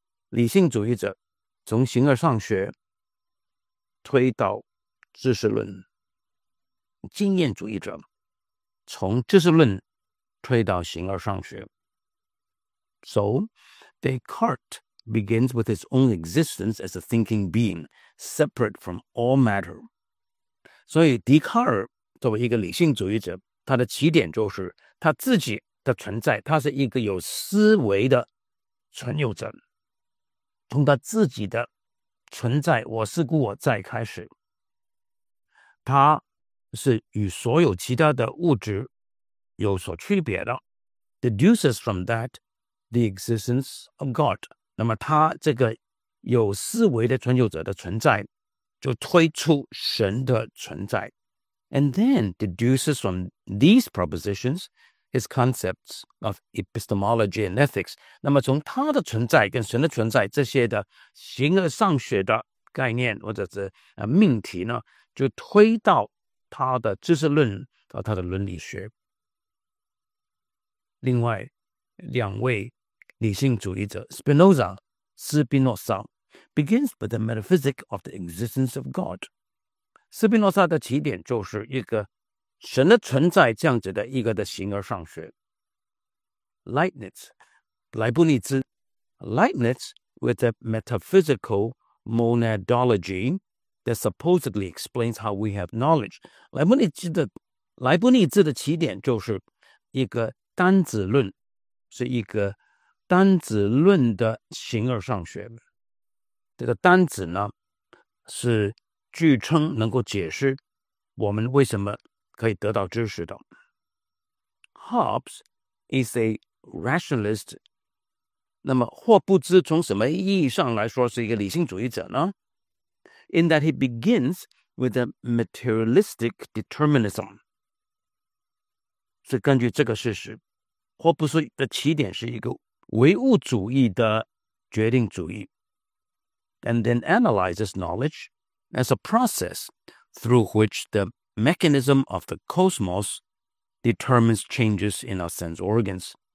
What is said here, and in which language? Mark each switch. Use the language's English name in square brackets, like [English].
[Chinese] 理性主义者从形而上学推到知识论，经验主义者从知识论推到形而上学。 [English] So Descartes begins with his own existence as a thinking being separate from all matter. [Chinese] 所以笛卡尔作为一个理性主义者，他的起点就是他自己的存在，他是一个有思维的存有者，从他自己的存在，我是故我在开始，他是与所有其他的物质有所区别的。 [English] Deduces from that the existence of God. [Chinese] 那么他这个有思维的存有者的存在，就推出神的存在。 [English] And then deduces from these propositions his concepts of epistemology and ethics. [Chinese] 那么从他的存在跟神的存在这些的形而上学的概念或者是命题呢，就推到他的知识论和他的伦理学。另外两位理性主义者 Spinoza 斯宾诺莎 [English] begins with the metaphysic of the existence of God。 [Chinese] 斯宾诺莎的起点就是一个神的存在这样子的一个的形而上学。 [English] Leibniz [Chinese] 莱布尼兹 [English] Leibniz with the metaphysical monadology that supposedly explains how we have knowledge. [Chinese] 莱布尼兹的起点就是一个单子论，是一个单子论的形而上学。这个单子呢是据称能够解释我们为什么可以得到知识的。 [English] Hobbes is a rationalist. [Chinese] 那么霍布兹从什么意义上来说是一个理性主义者呢？ [English] In that he begins with a materialistic determinism. [Chinese] 是根据这个事实，霍布斯的起点是一个唯物主义的决定主义。 [English] And then analyzes knowledge as a process through which the mechanism of the cosmos determines changes in our sense organs.